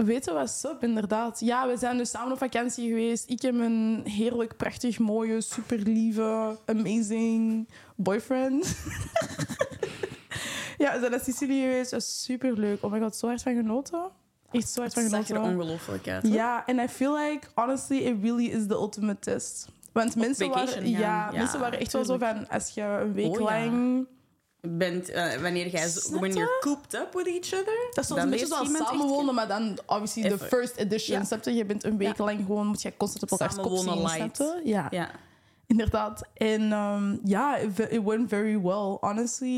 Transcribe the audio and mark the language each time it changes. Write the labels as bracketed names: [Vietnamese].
[Dutch] Weten, what's up, inderdaad. Ja, we zijn dus samen op vakantie geweest. Ik heb een heerlijk, prachtig, mooie, superlieve, amazing boyfriend. Ja, we zijn naar Sicilië geweest. Dat is superleuk. [English] Oh my god, [Dutch] zo hard van genoten. Echt zo hard van genoten. Het zag er ongelooflijk uit. Ja, en [English] I feel like, honestly, it really is the ultimate test. [Dutch] Want mensen waren echt wel zo van, als je een week lang... [English] When you're cooped up with each other. [Dutch] Dat is een beetje zoals samenwonen, maar dan [English] obviously the first edition. [Dutch] Ja. Je bent een week lang gewoon, moet je constant op elkaar kop zien. Samenwonen light. Ja. Ja. Inderdaad. En [English] it went very well, honestly.